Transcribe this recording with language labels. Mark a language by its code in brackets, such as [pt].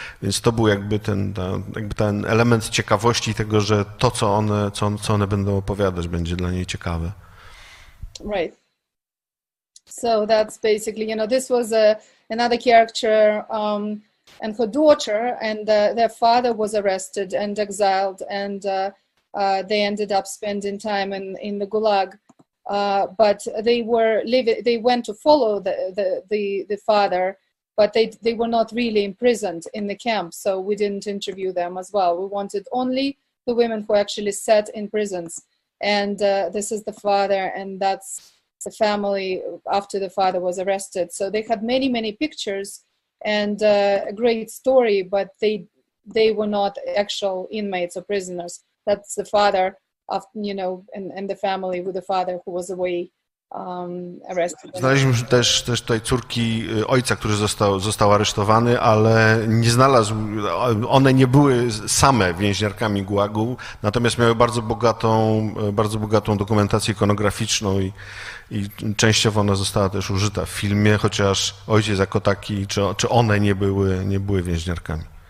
[pl] Więc to był jakby ten element ciekawości tego, że to, co one będą opowiadać, będzie dla niej ciekawe. [en] Right. So that's basically, you know, this was another character and her daughter, and their father was arrested and exiled, and they ended up spending time in the Gulag. But they were living, they went to follow the father, but they were not really imprisoned in the camp, so we didn't interview them as well. We wanted only the women who actually sat in prisons, and this is the father, and that's the family after the father was arrested. So they had many, many pictures and a great story, but they were not actual inmates or prisoners. That's the father of, you know, and the family with the father who was away arrested. [pl] Znaleźliśmy też tutaj córki ojca, który został aresztowany, ale nie znalazł, one nie były same więźniarkami Gulagu, natomiast miały bardzo bogatą dokumentację ikonograficzną i częściowo ona została też użyta w filmie, chociaż ojciec jako taki, czy one nie były więźniarkami.